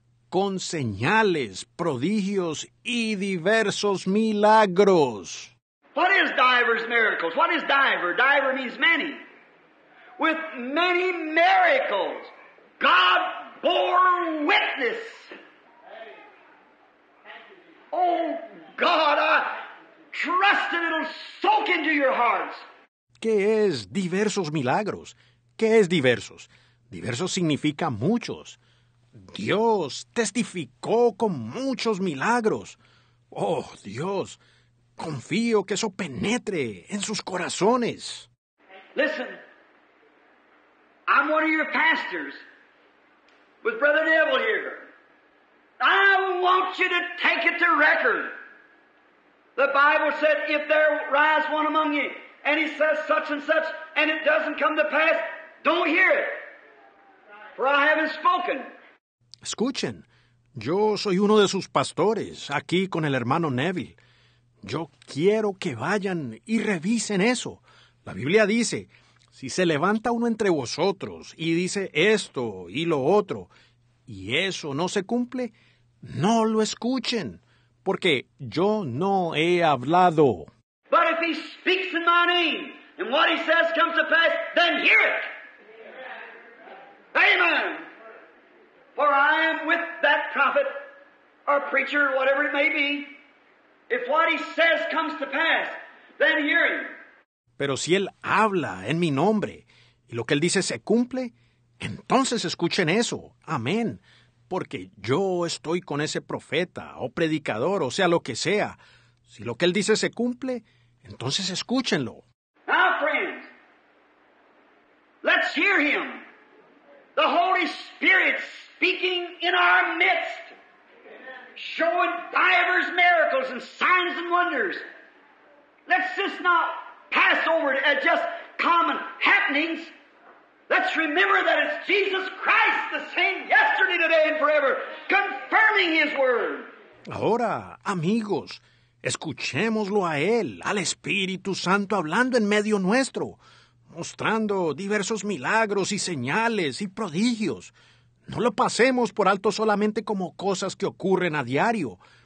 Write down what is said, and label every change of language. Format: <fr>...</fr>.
<es>Con señales, prodigios y diversos milagros.</es> <en>What is divers miracles? What is diver? Diver means many. With many miracles, God bore witness. Oh, God, trust and it'll soak into your hearts.</en> <es>¿Qué es diversos milagros? ¿Qué es diversos? Diversos significa muchos. Dios testificó con muchos milagros. Oh, Dios, confío que eso penetre en sus corazones.</es> <en>Listen, I'm one of your pastors with Brother Neville here. I want you to take it to record. The Bible said, if there rise one among you, and he says such and such, and it doesn't come to pass, don't hear it, for I haven't spoken.</en> <es>Escuchen, yo soy uno de sus pastores, aquí con el hermano Neville. Yo quiero que vayan y revisen eso. La Biblia dice, si se levanta uno entre vosotros y dice esto y lo otro, y eso no se cumple, no lo escuchen. Porque yo no he hablado.</es> <en>But if he speaks in my name, and what he says comes to pass, then hear it. Amen. Amen. For I am with that prophet, or preacher, whatever it may be. If what he says comes to pass, then hear him.</en> <es>Pero si él habla en mi nombre, y lo que él dice se cumple, entonces escuchen eso. Amén. Porque yo estoy con ese profeta o predicador, o sea, lo que sea. Si lo que él dice se cumple, entonces escúchenlo.</es> <en>Now, friends, let's hear him. The Holy Spirit speaking in our midst, showing divers miracles and signs and wonders. Let's just not pass over it as just common happenings. Let's remember that it's Jesus Christ, the same yesterday, today, and forever, confirming his word.</en> <es>Ahora, amigos, escuchémoslo a él, al Espíritu Santo, hablando en medio nuestro, mostrando diversos milagros y señales y prodigios. No lo pasemos por alto solamente como cosas que ocurren a diario.</es>